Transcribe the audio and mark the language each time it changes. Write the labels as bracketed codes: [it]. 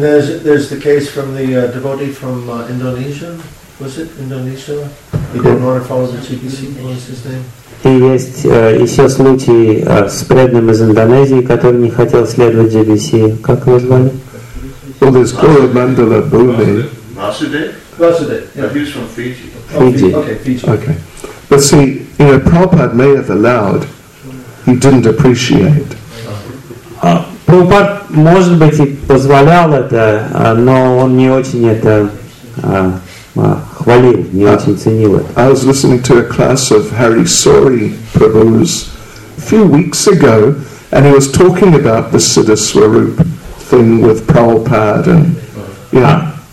[en] And there's the case from the devotee from Indonesia, was it Indonesia? He didn't want to follow the TPC, what was his name? [ru] И есть еще случай с преданным из Индонезии, который не хотел следовать GBC. Как его звали? [en] Well, there's Guru Mandala Bhumi. Vasudev? Yeah. But he was from Fiji. Oh, Fiji. Okay, Fiji. Okay. But see, you know, Prabhupada may have allowed, he didn't appreciate. [ru] Prabhupada, может быть, и позволял это, но он не очень это хвалил, не очень ценил это. [en] I was listening to a class of Hari Sori Prabhu's a few weeks ago, and he was talking about the Siddha Swarup thing with Prabhupada and